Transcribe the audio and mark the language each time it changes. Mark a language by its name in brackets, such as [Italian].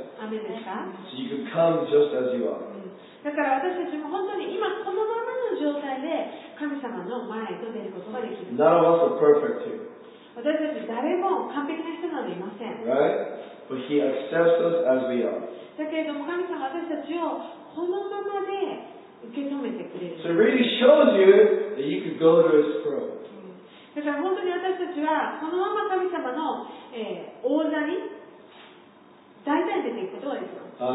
[English] So you can come just as you are. [Japanese] だから私たちも本当に今このままの状態で神様の前へと出ることができる。 [English] None of us are perfect here. [Japanese] 私たち誰も完璧な人なんていません。 [English] Right? But He accepts us as we are. [Japanese] だけれども神様は私たちをこのままで受け止めてくれる。 [English] So it really shows you that you could go to His throne. [Japanese] だから本当に私たちはこのまま神様の、王座に大体出ていくことができます。